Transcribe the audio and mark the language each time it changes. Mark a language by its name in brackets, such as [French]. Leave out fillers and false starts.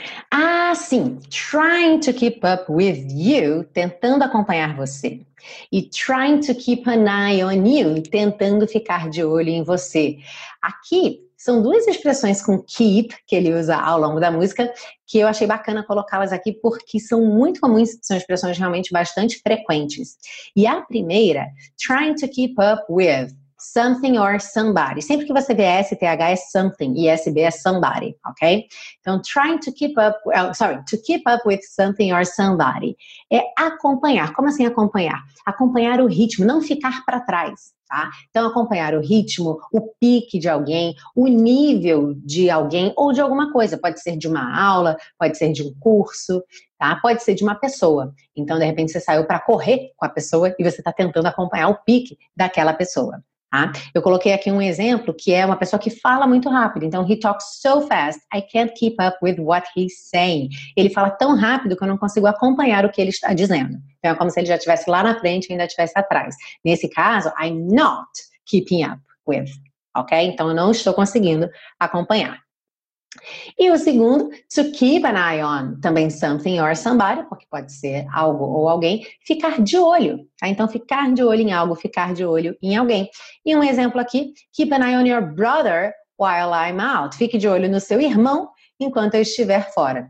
[Portuguese] Ah, sim, [English] trying to keep up with you, [Portuguese] tentando acompanhar você. [English] E trying to keep an eye on you, [Portuguese] tentando ficar de olho em você. Aqui são duas expressões com keep, que ele usa ao longo da música, que eu achei bacana colocá-las aqui porque são muito comuns, são expressões realmente bastante frequentes. E a primeira, [English] trying to keep up with something or somebody. [Portuguese] Sempre que você vê STH é something e SB é somebody, ok? [English] Então, trying to keep up, to keep up with something or somebody. [Portuguese] É acompanhar. Como assim acompanhar? Acompanhar o ritmo, não ficar para trás, tá? Então, acompanhar o ritmo, o pique de alguém, o nível de alguém ou de alguma coisa. Pode ser de uma aula, pode ser de um curso, tá? Pode ser de uma pessoa. Então, de repente, você saiu para correr com a pessoa e você está tentando acompanhar o pique daquela pessoa. Eu coloquei aqui um exemplo que é uma pessoa que fala muito rápido. [English] Então, he talks so fast, I can't keep up with what he's saying. [Portuguese] Ele fala tão rápido que eu não consigo acompanhar o que ele está dizendo. Então, é como se ele já estivesse lá na frente e ainda estivesse atrás. Nesse caso, [English] I'm not keeping up with. Ok? [Portuguese] Então, eu não estou conseguindo acompanhar. E o segundo, [English] to keep an eye on, [Portuguese] também [English] something or somebody, [Portuguese] porque pode ser algo ou alguém, ficar de olho, tá? Então, ficar de olho em algo, ficar de olho em alguém. E um exemplo aqui, [English] keep an eye on your brother while I'm out, [Portuguese] fique de olho no seu irmão enquanto eu estiver fora.